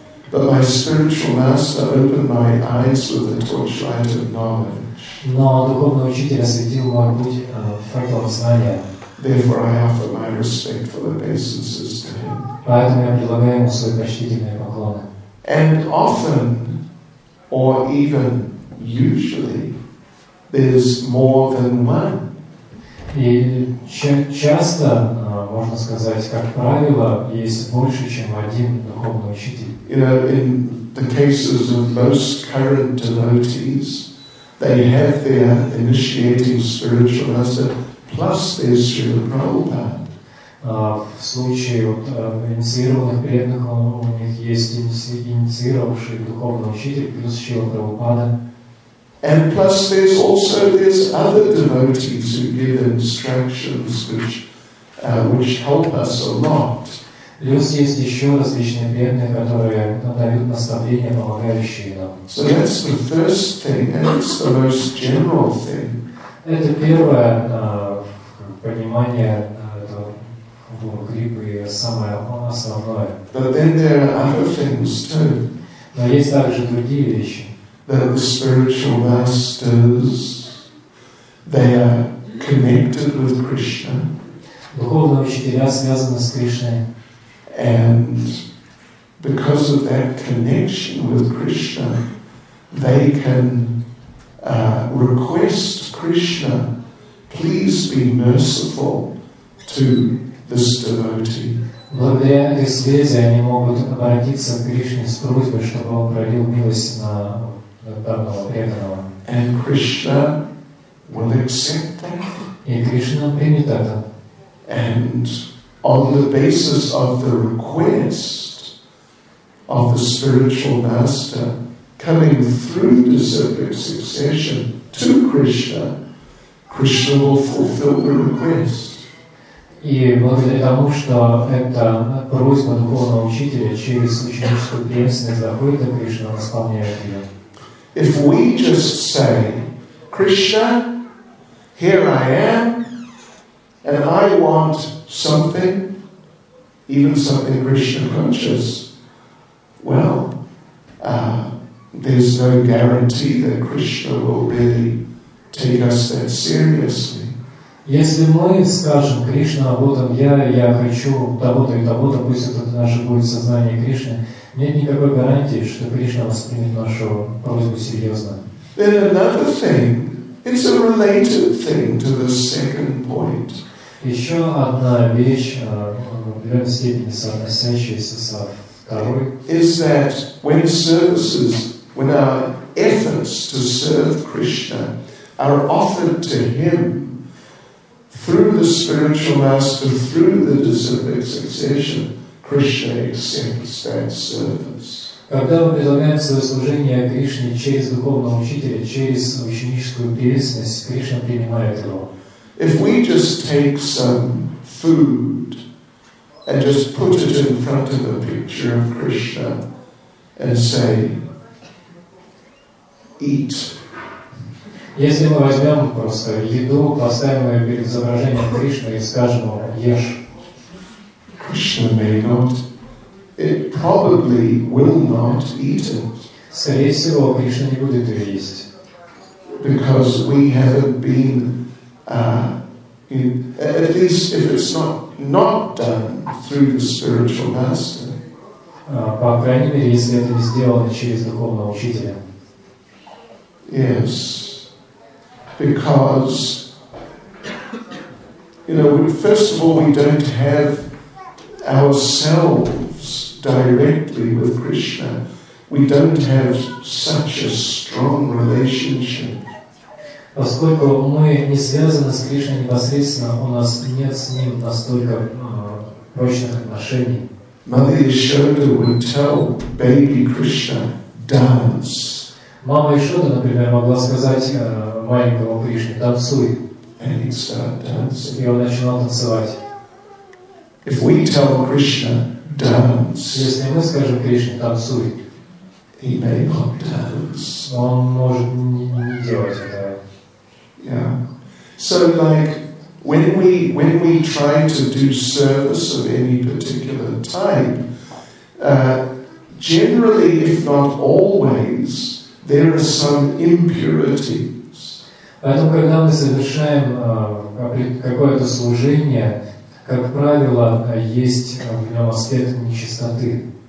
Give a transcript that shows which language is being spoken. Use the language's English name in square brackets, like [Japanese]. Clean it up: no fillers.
[English] But my spiritual master opened my eyes with the torchlight of knowledge. Therefore I offer my respectful obeisances to him. And often, or even usually, there's more than one. [Russian] И часто, можно сказать, как правило, есть больше, чем один духовный учитель. [English] You know, in the cases of most current devotees, they have their initiating spiritual master plus their Srila Prabhupada. [Russian] В случае вот, инициированных преданных, у них есть инициировавший духовный учитель плюс Шрила Прабхупада. [English] And plus there's also there's other devotees who give instructions which help us a lot. [Russian] Плюс есть еще различные преданные, которые дают наставления, помогающие нам. [English] So that's the first thing, and it's the most general thing. [Russian] Это первое понимание этого гриппа, и самое основное. [English] But then there are other things too. [Russian] Но есть также другие вещи. [English] That the spiritual masters, they are connected with Krishna. [Russian] Духовные учителя связаны с Кришной. [English] And because of that connection with Krishna, they can request Krishna, please be merciful to this devotee. [Russian] Благодаря этой связи они могут обратиться к Кришне с просьбой, чтобы он пролил милость на данного преданного. [English] And Krishna will accept that. [Russian] И Кришна примет это. [English] And on the basis of the request of the spiritual master coming through the disciplic succession to Krishna, Krishna will fulfill the request. [Russian] И благодаря тому, что эта просьба духовного учителя через ученическую преемственность заходит до Кришны, он исполняет ее. [English] If we just say, Krishna, here I am, and I want something, even something Krishna conscious, well, there's no guarantee that Krishna will really take us that seriously. [Russian] Если мы скажем Кришна об этом, я хочу того-то и того-то, пусть это наше будет сознание Кришны, нет никакой гарантии, что Кришна воспримет нашу просьбу серьезно. [English] Then another thing, it's a related thing to the second point. [Russian] Еще одна вещь, определенной степени соотносящаяся со второй, [English] is that when services, when our efforts to serve Krishna are offered to Him through the spiritual master, through the disciplic succession, Krishna accepts that service. [Russian] Когда мы предлагаем свое служение Кришне через духовного учителя, через ученическую преемственность, Кришна принимает его. [English] If we just take some food and just put it in front of a picture of Krishna and say, eat. [Russian] Если мы возьмем просто еду, поставим ее перед изображением Кришны и скажем ему, ешь. [English] Krishna may not. It probably will not eat it. [Russian] Скорее всего, Кришна не будет ее есть. [English] Because we haven't been at least if it's not done through the spiritual master. [Russian] По крайней мере, если это не сделано через духовного учителя. [English] Yes. Because, you know, first of all, we don't have ourselves directly with Krishna. We don't have such a strong relationship. [Russian] Поскольку мы не связаны с Кришной непосредственно, у нас нет с Ним настолько прочных отношений. [English] Mother Yashoda would tell baby Krishna, dance. [Russian] Мама Ишода, например, могла сказать маленькому Кришне, танцуй. [English] And he'd start dancing. [Russian] И он начинал танцевать. [English] If we tell Krishna, dance. [Russian] Если мы скажем Кришне, танцуй. [English] He may not dance. [Russian] Он может не делать это. [English] Yeah. So like when we try to do service of any particular type, generally if not always, there are some impurities. [Russian] Поэтому когда мы совершаем какое-то служение, как правило, есть в нем аспект нечистоты.